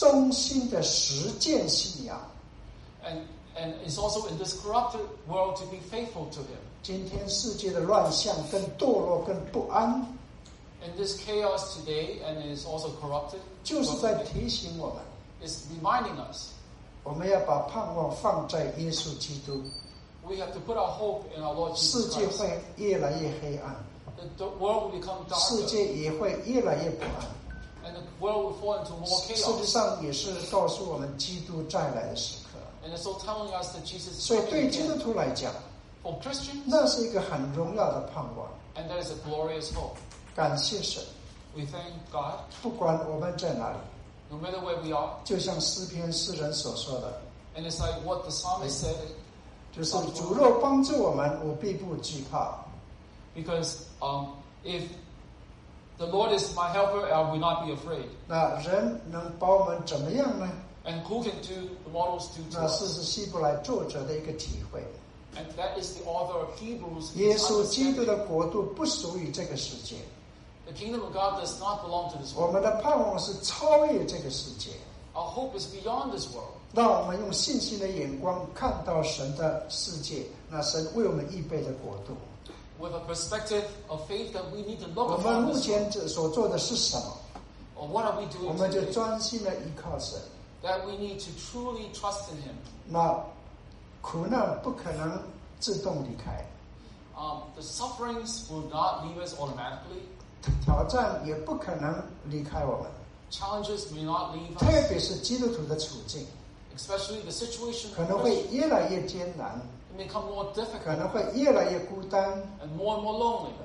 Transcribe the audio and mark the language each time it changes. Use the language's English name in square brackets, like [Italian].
[Chinese] 而是在这个必然败坏的世那个世界里面忠心的实践信仰, [English] and it's also in this corrupted world to be faithful to him. [Chinese] 今天世界的乱象更堕落更不安, [English] in this chaos today, and it is also corrupted, [Chinese] 就是在提醒我们, [English] it's reminding us, [Chinese] 我们要把盼望放在耶稣基督, [English] we have to put our hope in our Lord Jesus Christ. [Chinese] 世界会越来越黑暗, [English] the world will become darker, [Chinese] 世界也会越来越不安, [English] and the world will fall into more chaos. [Chinese] 事实上也是告诉我们基督再来的时刻, [English] and it's all telling us that Jesus is coming again. [Chinese] 所以对基督徒来讲, [English] for Christians, [Chinese] 那是一个很荣耀的盼望, [English] and that is a glorious hope. [Chinese] 感谢神, [English] we thank God, [Chinese] 不管我们在哪里, [English] no matter where we are, [Chinese] 就像诗篇诗人所说的, [English] and it's like what the psalmist said, [Chinese] 就是主若帮助我们, 我必不惧怕, [English] because if the Lord is my helper, I will not be afraid. [Chinese] 那人能把我们怎么样呢? [English] And who can do the models do to us? [Chinese] 那是希伯来作者的一个体会, [English] and that is the author of Hebrews. [Chinese] 耶稣基督的国度不属于这个世界, [English] the kingdom of God does not belong to this world. [Chinese] 我们的盼望是超越这个世界, [English] our hope is beyond this world. [Chinese] 让我们用信心的眼光看到神的世界, 那神为我们预备的国度, [English] with a perspective of faith that we need to look upon. [Chinese] 我们目前所做的是什么? [English] Or what are we doing? [Chinese] 我们就专心地依靠神, [English] that we need to truly trust in him. [Chinese] 那苦难不可能自动离开, [English] the sufferings will not leave us automatically. [Chinese] 挑战也不可能离开我们, [English] challenges may not leave us, [Chinese] 特别是基督徒的处境, [English] especially the situation, [Chinese] 可能会越来越艰难, [English] it may become more difficult, [Chinese] 可能会越来越孤单, [English] and more and more lonely,